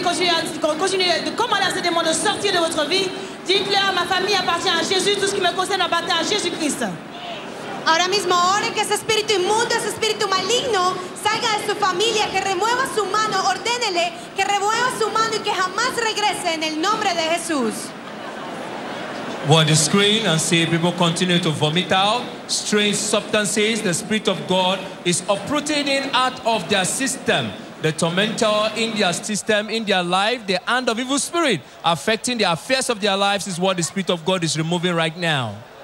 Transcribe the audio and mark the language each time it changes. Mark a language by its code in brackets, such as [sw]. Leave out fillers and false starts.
[fr] Continuez de commander à ces démons de sortir de votre vie. Dites-leur, ma famille appartient à Jésus, tout ce qui me concerne appartient à Jésus-Christ. [es] Ahora mismo, ore que ese espíritu inmundo, ese espíritu maligno, salga de su familia, que remueva su mano, ordénele que remueva su mano y que jamás regrese en el nombre de Jesús. [en] Watch the screen and see people continue to vomit out strange substances. The Spirit of God is uprooting out of their system. The tormentor in their system, in their life, the hand of evil spirit affecting the affairs of their lives is what the Spirit of God is removing right now.